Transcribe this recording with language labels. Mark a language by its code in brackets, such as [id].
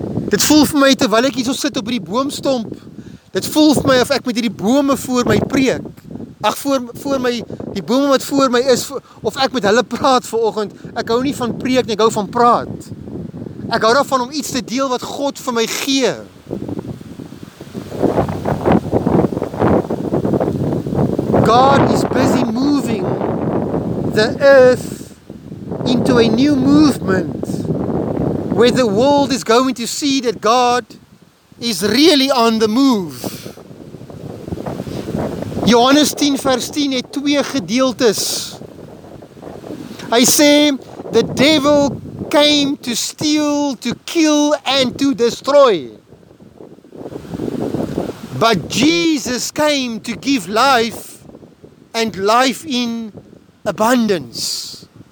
[af] Dit voel vir my terwyl ek hierso sit op die boomstomp. Dit voel vir my of ek met hierdie bome voor my preek. Ag voor my die bome wat voor my is of ek met hulle praat vanoggend. Ek hou nie van preek nie, ek hou van praat. Ek hou daarvan om iets te deel wat God vir my gee. [en] God is busy moving the earth into a new movement where the world is going to see that God is really on the move. [af] Johannes 10 vers 10 het twee gedeeltes. Hy sê, [en] the devil came to steal, to kill and to destroy. But Jesus came to give life and life in abundance.